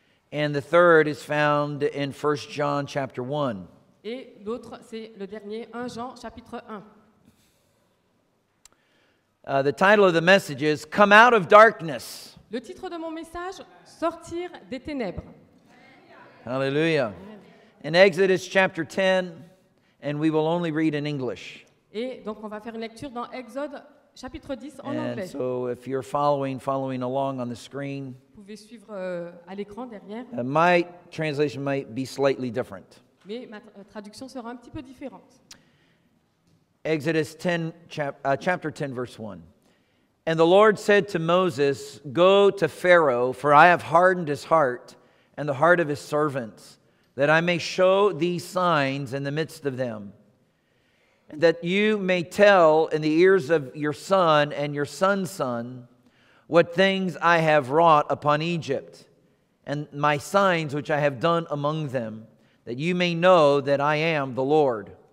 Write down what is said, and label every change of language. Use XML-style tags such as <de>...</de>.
<en>And the third is found in 1 John chapter 1.</en> <fr>Et l'autre, c'est le dernier, 1 Jean chapitre 1.</fr> <en>The title of the message is "Come out of darkness."</en> <fr>Le titre de mon message, sortir des ténèbres.</fr> <en>Hallelujah. In Exodus chapter 10, and we will only read in English.</en> <fr>Et donc on va faire une lecture dans Exode chapitre 10 en anglais.</fr> <en>And so, if you're following along on the screen,</en> <fr>vous pouvez suivre à l'écran derrière.</fr> <en>My translation might be slightly different.</en> <fr>Mais ma traduction sera un petit peu différente.</fr> <en>Exodus 10, chapter 10, verse 1. And the Lord said to Moses, "Go to Pharaoh, for I have hardened his heart and the heart of his servants, that I may show these signs in the midst of them, and that you may tell in the ears of your son and your son's son what things I have wrought upon Egypt, and my signs which I have done among them, that you may know that I am the Lord.</en>